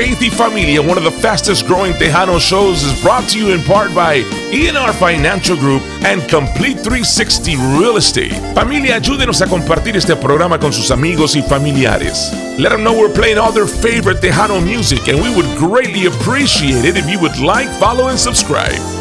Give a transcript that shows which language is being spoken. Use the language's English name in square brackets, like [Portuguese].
[English] Familia, one of the fastest growing Tejano shows, is brought to you in part by E&R Financial Group and Complete 360 Real Estate. [Spanish] Familia, ayúdenos a compartir este programa con sus amigos y familiares. [English] Let them know we're playing all their favorite Tejano music, and we would greatly appreciate it if you would like, follow, and subscribe.